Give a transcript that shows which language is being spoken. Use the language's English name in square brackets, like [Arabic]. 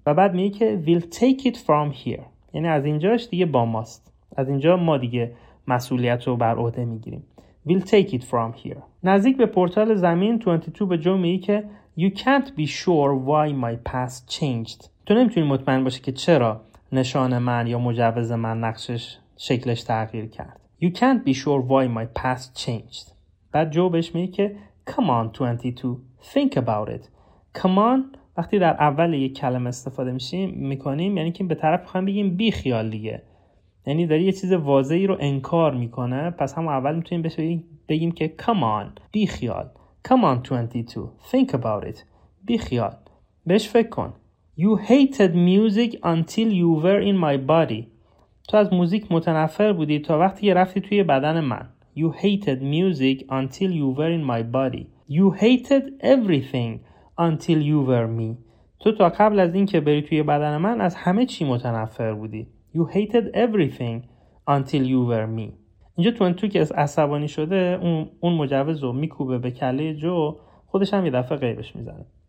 [Persian] و بعد میگه که [English] we'll take it from here، [Persian] یعنی از اینجاش دیگه با ماست، از اینجا ما دیگه مسئولیت رو بر عهده میگیریم. [English] We'll take it from here. [Persian] نزدیک به پورتال زمین 22 به جو میگه که [English] you can't be sure why my past changed. [Persian] تو نمیتونی مطمئن باشی که چرا نشان من یا مجوز من نقشش شکلش تغییر کرد. [English] You can't be sure why my past changed. [Persian] بعد جو بهش میگه که [English] come on 22, think about it. [Persian] Come on وقتی در اول یک کلمه استفاده میکنیم یعنی که به طرف میخوایم بگیم بی خیال دیگه. یعنی داری یه چیز واضحی رو انکار میکنه، پس هم اول میتونیم بگیم که come on بی خیال، [English] come on 22 think about it، [Persian] بی خیال بهش فکر کن. [English] You hated music until you were in my body. [Persian] تو از موزیک متنفر بودی تا وقتی که رفتی توی بدن من. [English] You hated music until you were in my body. You hated everything until you were me. [Persian] تو تا قبل از این که بری توی بدن من از همه چی متنفر بودی. [English] You hated everything until you were me. [Persian] اینجا 22 که از عصبانی شده اون مجوز رو میکوبه به کله جو، خودش هم یه دفعه غیبش میزنه.